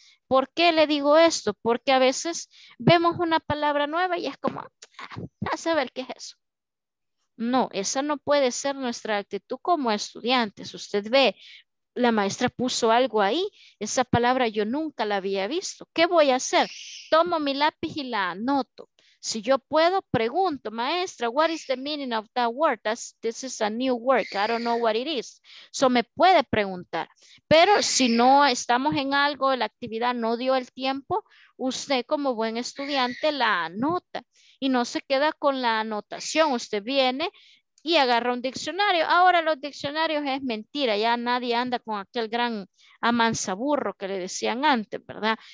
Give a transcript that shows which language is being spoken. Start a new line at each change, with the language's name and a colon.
Spanish: ¿Por qué le digo esto? Porque a veces vemos una palabra nueva y es como, a saber qué es eso. No, esa no puede ser nuestra actitud como estudiantes. Usted ve, la maestra puso algo ahí, esa palabra yo nunca la había visto. ¿Qué voy a hacer? Tomo mi lápiz y la anoto. Si yo puedo, pregunto, maestra,
English: what is the meaning of that word? This is a new word, I don't know what it is.
Spanish: So me puede preguntar. Pero si no estamos en algo, la actividad no dio el tiempo, usted como buen estudiante la anota. Y no se queda con la anotación. Usted viene y agarra un diccionario. Ahora los diccionarios es mentira. Ya nadie anda con aquel gran amansaburro que le decían antes, ¿verdad?